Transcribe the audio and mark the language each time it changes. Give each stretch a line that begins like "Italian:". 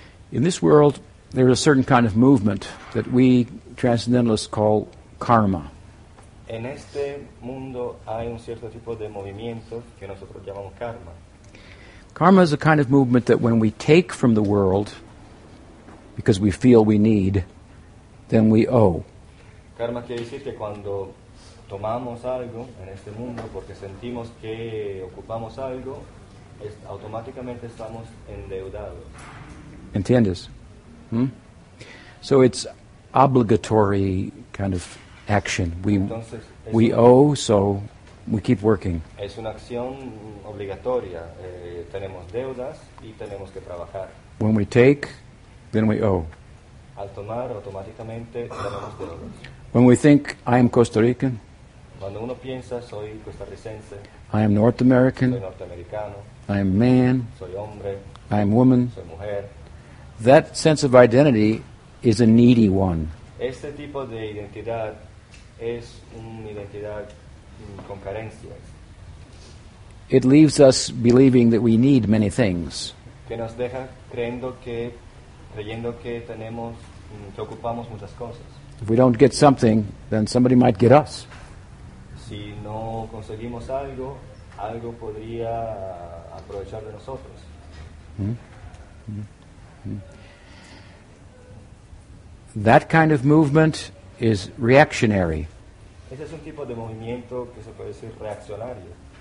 English: In this world, there is a certain kind of movement that we transcendentalists call karma.
Spanish: En este mundo hay un cierto tipo de movimiento que nosotros llamamos karma.
English: Karma is a kind of movement that when we take from the world because we feel we need, then we owe.
Spanish: Karma quiere decir que cuando tomamos algo en este mundo porque sentimos que ocupamos algo, automáticamente estamos endeudados. ¿Entiendes?
English: So it's obligatory kind of action. We owe, so we keep working.
Spanish: Es una acción obligatoria. Tenemos deudas y tenemos que trabajar.
English: When we take, then we owe.
Spanish: Al tomar, automáticamente tenemos deudas.
English: When we think, I am Costa Rican.
Spanish: Cuando uno piensa, soy costarricense.
English: I am North American.
Spanish: Soy norteamericano.
English: I am man.
Spanish: Soy hombre.
English: I am woman.
Spanish: Soy mujer.
English: That sense of identity is a needy one.
Spanish: Este tipo de identidad es una identidad con carencias.
English: It leaves us believing that we need many things.
Spanish: Que nos deja creyendo que tenemos, que ocupamos muchas cosas.
English: If we don't get something, then somebody might get us.
Spanish: Si no conseguimos algo, algo podría aprovechar de nosotros.
English: That kind of movement is reactionary.
Spanish: Ese es un tipo de movimiento que se puede decir reaccionario.